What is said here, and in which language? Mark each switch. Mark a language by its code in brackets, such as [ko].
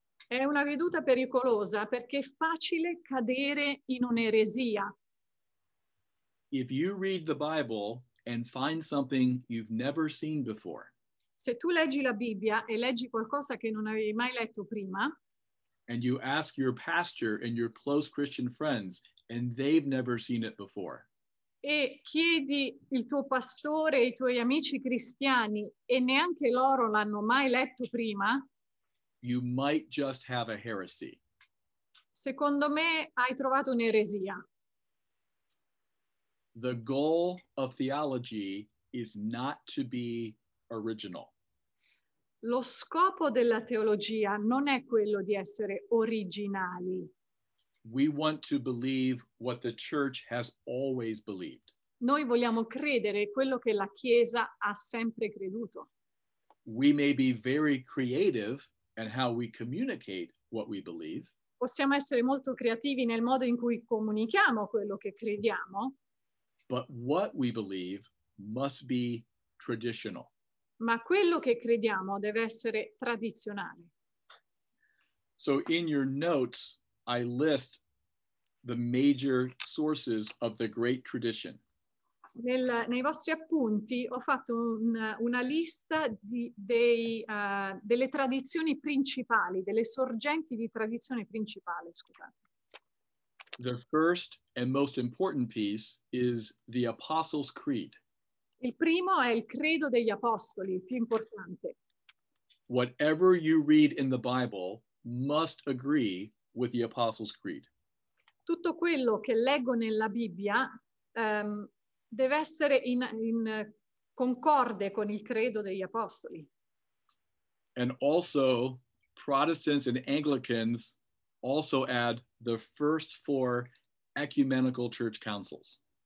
[it] È una veduta pericolosa perché è facile cadere in un'eresia. [en] If you read the Bible and find something you've never seen before, [it] se tu leggi la Bibbia e leggi qualcosa che non avevi mai letto prima, [en] and you ask your pastor and your close Christian friends and they've never seen it before, [it] e chiedi il tuo pastore e i tuoi amici cristiani e neanche loro l'hanno mai letto prima, [en] you might just have a heresy. [it] Secondo me hai trovato un'eresia. [en] The goal of theology is not to be original. [it] Lo scopo della teologia non è quello di essere originali. [en] We want to believe what the church has always believed. [it] Noi vogliamo credere quello che la Chiesa ha sempre creduto. [en] We may be very creative in how we communicate what we believe. [it] Possiamo essere molto creativi nel modo in cui comunichiamo quello che crediamo. [en] But what we believe must be traditional. [it] Ma quello che crediamo deve essere tradizionale. [en] So in your notes, I list the major sources of the great tradition. [it] Nei vostri appunti ho fatto una lista delle tradizioni principali, delle sorgenti di tradizione principale, scusate. [en] The first and most important piece is the Apostles' Creed. [it] Il primo è il credo degli apostoli, il più importante. [en] Whatever you read in the Bible must agree with the Apostles' Creed. [it] Tutto quello che leggo nella Bibbia deve essere in concorde con il credo degli apostoli. [en] And also, Protestants and Anglicans also add the first four ecumenical church councils.